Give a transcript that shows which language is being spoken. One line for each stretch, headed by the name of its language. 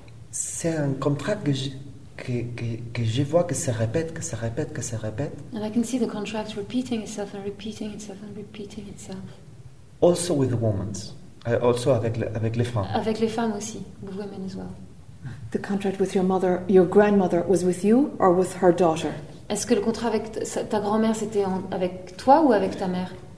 French: C'est un contrat que je vois que se répète, que se répète, que se répète.
English: And I can see the contract repeating itself and repeating itself and repeating itself. Also with the women. Also
French: avec les femmes. Avec les femmes aussi,
English: with women as well. The contract with your mother, your grandmother, was with you or with her daughter?
French: Est-ce que le contrat avec ta grand-mère c'était avec toi ou avec ta mère?